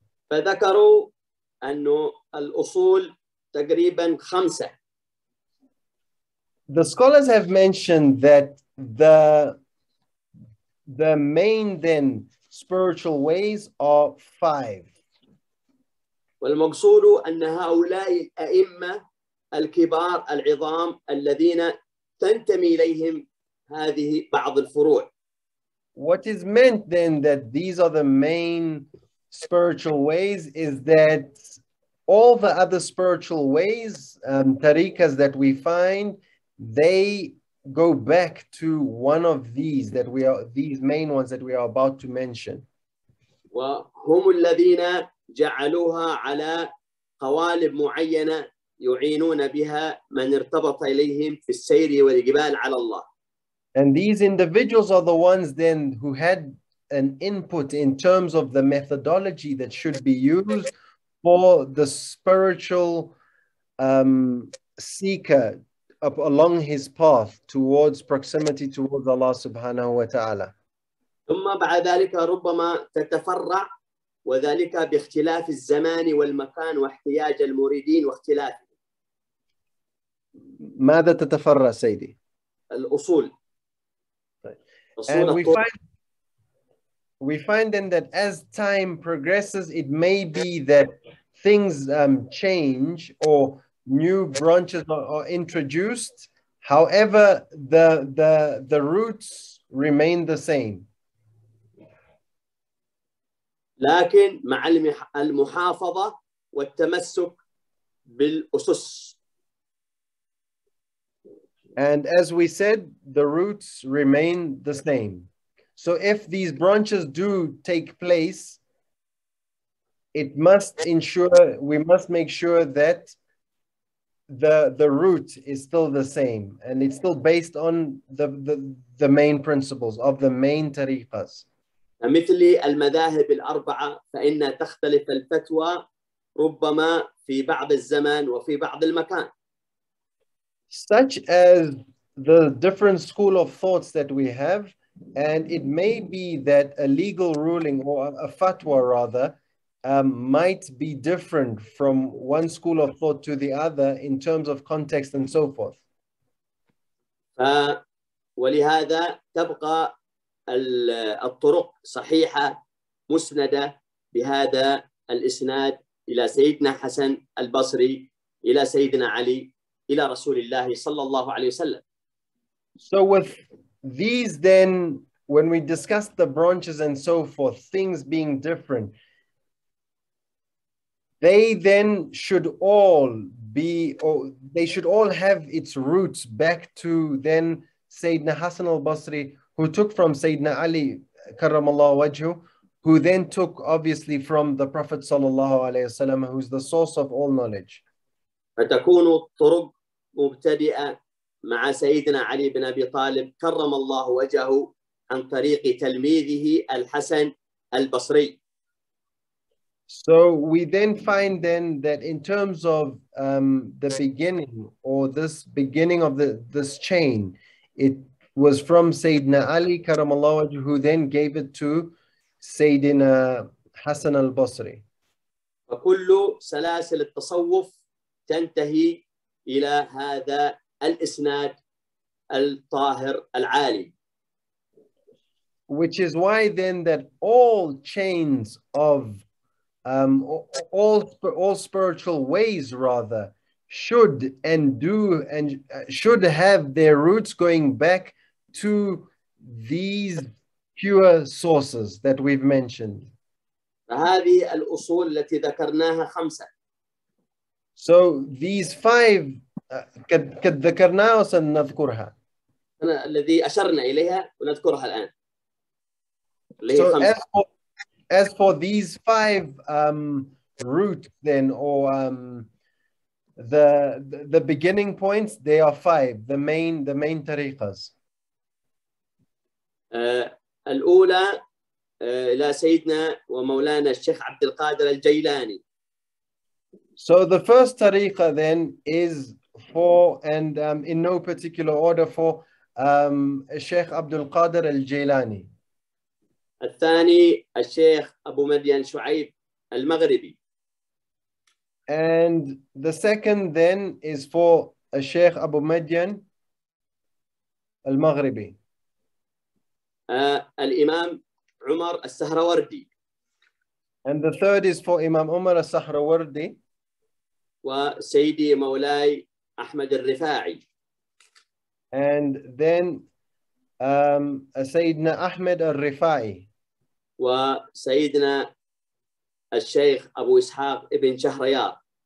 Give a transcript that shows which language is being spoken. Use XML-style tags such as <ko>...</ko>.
<ar>فذكروا أنه الأصول تقريباً خمسة.</ar> <en>The scholars have mentioned that the main then spiritual ways are five.</en> <ar>والمقصود أن هؤلاء الأئمة الكبار العظام الذين تنتمي إليهم هذه بعض الفروع.</ar> <en>What is meant then that these are the main spiritual ways is that all the other spiritual ways, tariqas that we find, they go back to one of these that we are, these main ones that we are about to mention.</en> <ar>وهم الذين جعلوها على قوالب معينة يعينون بها من ارتبط إليهم في السير والإقبال على الله.</ar> <en>And these individuals are the ones then who had an input in terms of the methodology that should be used for the spiritual seeker up along his path towards proximity towards Allah subhanahu wa ta'ala.</en> <ar>ثم بعد ذلك ربما تتفرع وذلك باختلاف الزمان والمكان واحتياج المريدين واختلاف. ماذا تتفرع سيدي؟ الأصول.</ar> <en>And we find then that as time progresses, it may be that things change or new branches are introduced. However, the roots remain the same.</en> <ar>لكن مع المحافظة والتمسك بالأسس.</ar> <en>And as we said, the roots remain the same. So if these branches do take place, it must ensure, we must make sure that the root is still the same. And it's still based on the main principles of the main tariqas.</en> <ar>مثل المذاهب الأربعة فإن تختلف الفتوى ربما في بعض الزمان وفي بعض المكان.</ar> <en>Such as the different school of thoughts that we have, and it may be that a legal ruling or a fatwa rather might be different from one school of thought to the other in terms of context and so forth.</en> <ar>ولهذا تبقى الطرق صحيحة مسندة بهذا الإسناد إلى سيدنا حسن البصري إلى سيدنا علي إلى رسول الله صلى الله عليه وسلم.</ar> <en>So with these then, when we discuss the branches and so forth, things being different, they then should all be, or they should all have its roots back to then Sayyidina Hassan al-Basri, who took from Sayyidina Ali, Karramallahu wajhu, who then took obviously from the Prophet sallallahu alayhi wasallam, who's the source of all knowledge.</en> <ar>فتكون الطرق مبتدئة مع سيدنا علي بن أبي طالب كرم الله وجهه عن طريق تلميذه الحسن البصري.</ar> <en>So we then find then that in terms of the beginning or this beginning of this chain, it was from سيدنا علي كرم الله وجهه who then gave it to سيدنا حسن البصري.</en> <ar>وكل سلاسل التصوف تنتهي إلى هذا الإسناد الطاهر العالي.</ar> <en>Which is why then that all chains of all spiritual ways rather should and do and should have their roots going back to these pure sources that we've mentioned.</en> <ar>هذه الأصول التي ذكرناها خمسة.</ar> <en>So these five</en> <ar>قد ذكرناها وسنذكرها انا الذي اشرنا اليها ونذكرها الان اللي هي خمسة.</ar> <en>As for these five roots then, or the beginning points, they are five, the main tariqas.</en> <ar>الأولى إلى سيدنا ومولانا الشيخ عبد القادر الجيلاني.</ar> <en>So the first tariqa then is for, and in no particular order, for Sheikh Abdul Qadir al-Jilani.</en> <ar>الثاني الشيخ أبو مدين شعيب المغربي.</ar> <en>And the second then is for Sheikh Abu Madian المغربي.</en> <ar>الإمام عمر السهروردي.</ar> <en>And the third is for Imam Umar السهروردي.</en> <ar>وسيدي مولاي أحمد الرفاعي.</ar> <en>And then سيدنا أحمد الرفاعي.</en> <ar>وسيدنا الشيخ أبو إسحاق ابن شهريار.</ar>